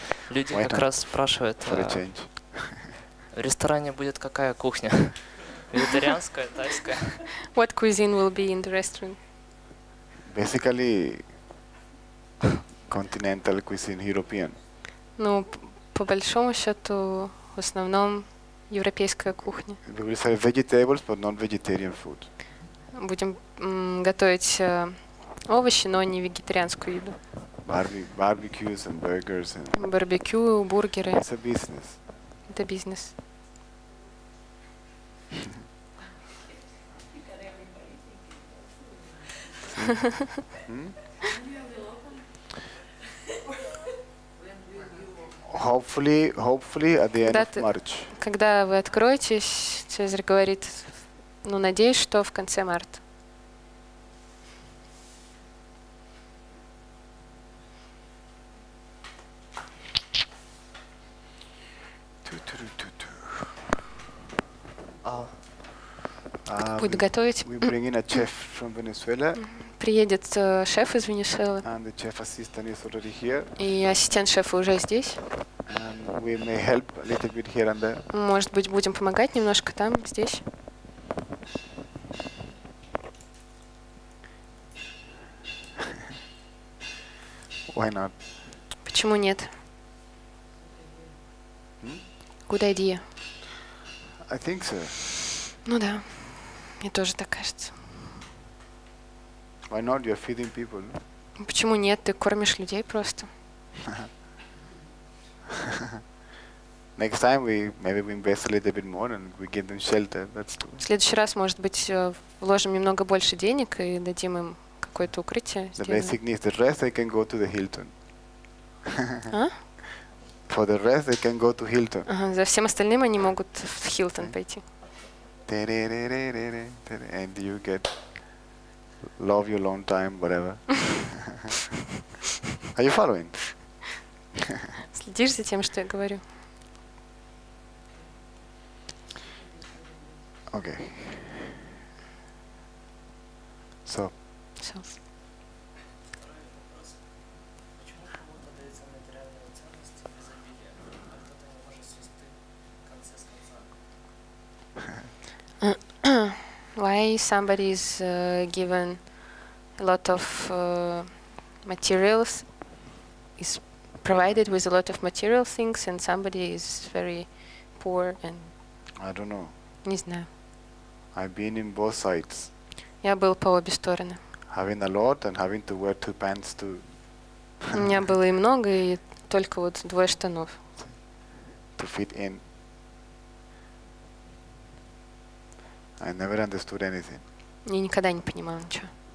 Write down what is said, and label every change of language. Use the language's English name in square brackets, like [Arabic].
[Russian] Люди как раз спрашивают, в ресторане будет какая кухня? Вегетарианская, тайская? [English] What cuisine will be in the restaurant? Basically, continental cuisine, European. [Russian] Ну, по большому счету, в основном европейская кухня. [English] We will say vegetables, but not vegetarian food. [Russian] Будем готовить овощи, но не вегетарианскую еду. Барбекюс и бургеры. Барбекю, бургеры. Это бизнес. Это бизнес. [English] Hopefully at the end of March. [Russian] Когда вы откроетесь, Цезарь говорит, ну, надеюсь, что в конце марта. [English] We bring in a chef from Venezuela. [Russian] Приедет шеф из Венесуэлы. [English] And the chef assistant is already here. [Russian] И ассистент шефа уже здесь. [English] And we may help a little bit here and there. [Russian] Может быть, будем помогать немножко там, здесь. [English] Why not? [Russian] Почему нет? [English] Good idea. I think so. [Russian] Ну да. Мне тоже так кажется. [English] Why not? You're feeding people. [Russian] Почему нет? Ты кормишь людей просто. [English] Next time we maybe we invest a little bit more and we give them shelter. That's cool. [Russian] В следующий раз, может быть, вложим немного больше денег и дадим им какое-то укрытие. [English] The basic needs. The rest they can go to the Hilton. For the rest they can go to Hilton. [Russian] За всем остальным они могут в Hilton пойти. [English] And you get love you long time, whatever. Are you following? [Russian] Следишь за тем, что я говорю? [English] Okay. So. So. Why somebody is given a lot of materials, is provided with a lot of material things, and somebody is very poor and... I don't know. [Russian] Не знаю. [English] I've been in both sides. [Russian] Я был по обе стороны. [English] Having a lot and having to wear two pants too. [Russian] У меня было и много, и только вот двое штанов. [English] To fit in. I never understood anything. [Russian] Я никогда не понимала ничего.